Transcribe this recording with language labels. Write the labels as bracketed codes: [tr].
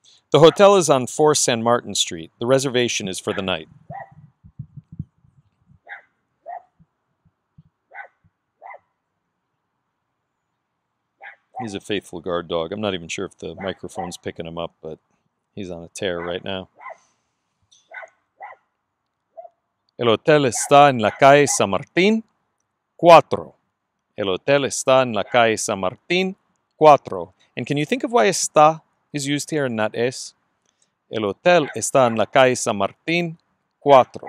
[en] The hotel is on 4 San Martin Street. The reservation is for the night. He's a faithful guard dog. I'm not even sure if the microphone's picking him up, but he's on a tear right now. [es] El hotel está en la calle San Martín, 4. El hotel está en la calle San Martín, 4. [en] And can you think of why está is used here and not es? [es] El hotel está en la calle San Martín, 4.